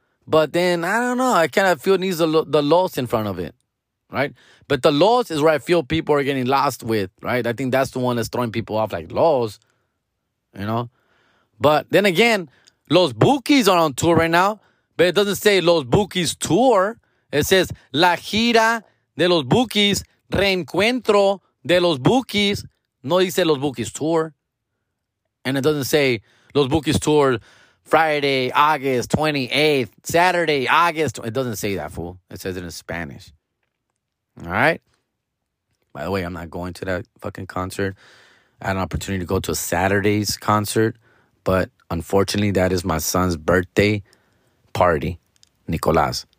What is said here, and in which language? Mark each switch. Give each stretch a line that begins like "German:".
English: But then, I don't know. I kind of feel needs the loss in front of it. Right? But the loss is where I feel people are getting lost with. Right? I think that's the one that's throwing people off. Like, loss. You know? But then again, Los Bukis are on tour right now. But it doesn't say Los Bukis Tour. It says La Gira de Los Bukis. Reencuentro de los Bukis.
Spanish: No dice Los Bukis Tour.
English: And it doesn't say Los Bukis Tour Friday, August 28th, Saturday, August. It doesn't say that, fool. It says it in Spanish. All right? By the way, I'm not going to that fucking concert. I had an opportunity to go to a Saturday's concert. But unfortunately, that is my son's birthday party, Nicolas.